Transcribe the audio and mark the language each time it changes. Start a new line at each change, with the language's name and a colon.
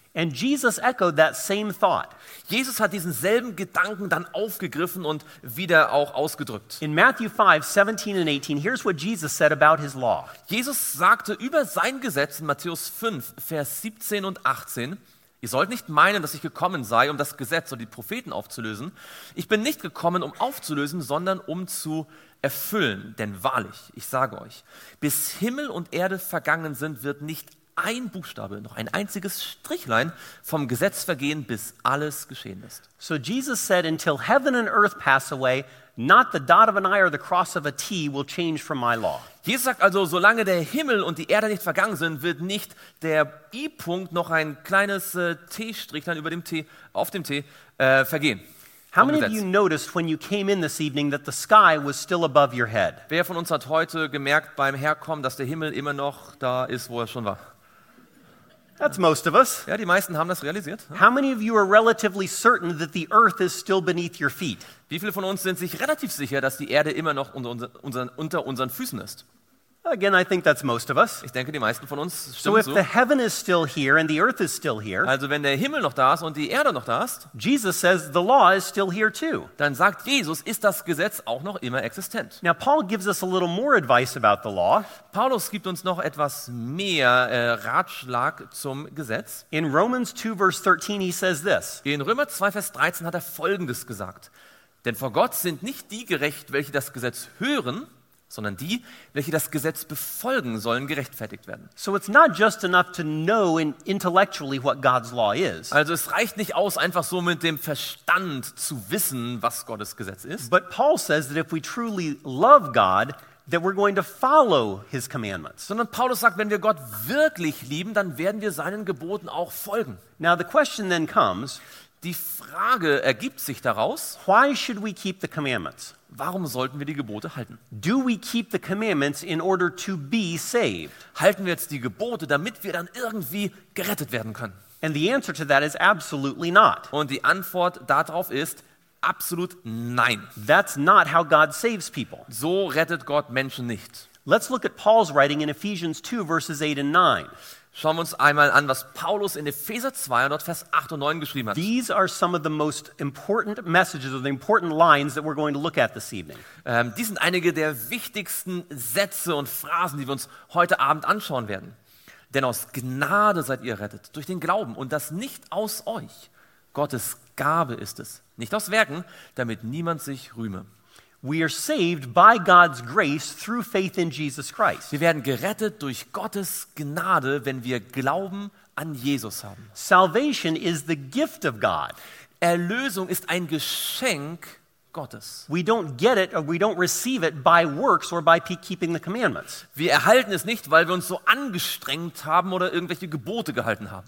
English: And Jesus echoed that same thought.
German: Jesus hat diesen selben Gedanken dann aufgegriffen und wieder auch ausgedrückt.
English: In Matthew 5, 17 and 18, here's what Jesus said about his law.
German: Jesus sagte über sein Gesetz in Matthäus 5, Vers 17 und 18, ihr sollt nicht meinen, dass ich gekommen sei, um das Gesetz oder die Propheten aufzulösen. Ich bin nicht gekommen, um aufzulösen, sondern um zu erfüllen. Denn wahrlich, ich sage euch, bis Himmel und Erde vergangen sind, wird nicht ein Buchstabe, noch ein einziges Strichlein vom Gesetz vergehen, bis alles geschehen ist.
English: So Jesus said, until heaven and earth pass away, not the dot of an I or the cross of a T will change from my law.
German: Jesus sagt also, solange der Himmel und die Erde nicht vergangen sind, wird nicht der I-Punkt noch ein kleines T-Strichlein über dem T, auf dem T, vergehen.
English: How many of you noticed when you came in this evening that the sky was still above your head?
German: Wer von uns hat heute gemerkt beim Herkommen, dass der Himmel immer noch da ist, wo er schon war?
English: That's most of us.
German: Ja, die meisten haben das realisiert.
English: How many of you are relatively certain that the earth is still beneath your feet?
German: Wie viele von uns sind sich relativ sicher, dass die Erde immer noch unter unseren Füßen ist?
English: Again, I think that's most of us.
German: Ich denke, die meisten von uns stimmen so.
English: So if the heaven is still here and the earth is still here.
German: Also wenn der Himmel noch da ist und die Erde noch da ist.
English: Jesus says the law is still here too.
German: Dann sagt Jesus, ist das Gesetz auch noch immer existent.
English: Now Paul gives us a little more advice about the law.
German: Paulus gibt uns noch etwas mehr Ratschlag zum Gesetz.
English: In Romans 2 verse 13 he says this.
German: In Römer 2 Vers 13 hat er Folgendes gesagt. Denn vor Gott sind nicht die gerecht, welche das Gesetz hören, sondern die, welche das Gesetz befolgen sollen, gerechtfertigt werden.
English: So it's not just enough to know intellectually what God's law is.
German: Also es reicht nicht aus, einfach so mit dem Verstand zu wissen, was Gottes Gesetz ist.
English: But Paul says that if we truly love God, that we're going to follow his commandments.
German: Sondern Paulus sagt, wenn wir Gott wirklich lieben, dann werden wir seinen Geboten auch folgen.
English: Now the question then comes,
German: die Frage ergibt sich daraus,
English: why should we keep the commandments?
German: Warum sollten wir die Gebote halten?
English: Do we keep the commandments in order to be saved?
German: Halten wir jetzt die Gebote, damit wir dann irgendwie gerettet werden können?
English: And the answer to that is absolutely not.
German: Und die Antwort darauf ist absolut nein.
English: That's not how God saves people.
German: So rettet Gott Menschen nicht.
English: Let's look at Paul's writing in Ephesians 2 verses 8 and 9.
German: Schauen wir uns einmal an, was Paulus in Epheser 2 und dort Vers 8 und 9 geschrieben hat.
English: These are some of the most important messages or the important lines that we're going to look at this evening.
German: Dies sind einige der wichtigsten Sätze und Phrasen, die wir uns heute Abend anschauen werden. Denn aus Gnade seid ihr rettet, durch den Glauben, und das nicht aus euch. Gottes Gabe ist es, nicht aus Werken, damit niemand sich rühme.
English: We are saved by God's grace through faith in Jesus Christ.
German: Wir werden gerettet durch Gottes Gnade, wenn wir Glauben an Jesus haben.
English: Salvation is the gift of God.
German: Erlösung ist ein Geschenk Gottes.
English: We don't get it or we don't receive it by works or by keeping the commandments.
German: Wir erhalten es nicht, weil wir uns so angestrengt haben oder irgendwelche Gebote gehalten haben.